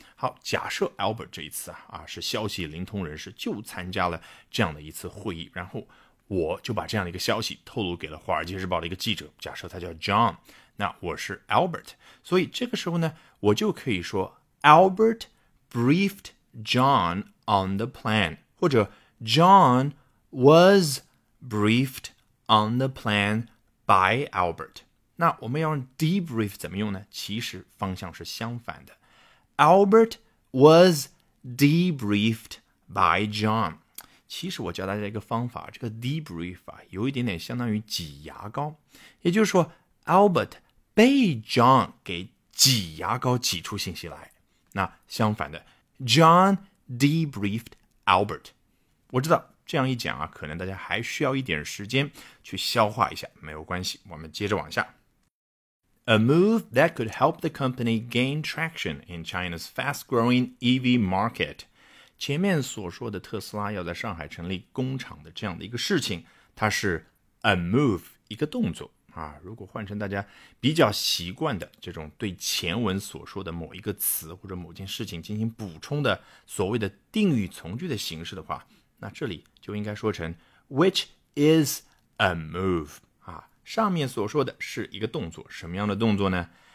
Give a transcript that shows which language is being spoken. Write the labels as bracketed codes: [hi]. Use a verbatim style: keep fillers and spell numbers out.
[zh] 好，假设 Albert 这一次 啊, 啊是消息灵通人士，就参加了这样的一次会议，然后我就把这样的一个消息透露给了华尔街日报的一个记者，假设他叫 John， 那我是 Albert， 所以这个时候呢，我就可以说 [en] Albert briefed John on the plan， [zh] 或者 [en] John was briefed on the plan by Albert。 [zh] 那我们要用 debrief 怎么用呢？其实方向是相反的。 [en] Albert was debriefed by John。 [zh] 其实我教大家一个方法，这个 debrief 啊，有一点点相当于挤牙膏，也就是说 Albert 被 John 给挤牙膏挤出信息来。那相反的， [en] John debriefed Albert。 [zh] 我知道这样一讲啊，可能大家还需要一点时间去消化一下，没有关系，我们接着往下。 [en] A move that could help the company gain traction in China's fast-growing E V market. [zh] 前面所说的特斯拉要在上海成立工厂的这样的一个事情，它是 [en] a move [zh] 一个动作啊。如果换成大家比较习惯的这种对前文所说的某一个词或者某件事情进行补充的所谓的定语从句的形式的话，那这里就应该说成 [en] which is a move [zh] 啊，上面所说的是一个动作，什么样的动作呢？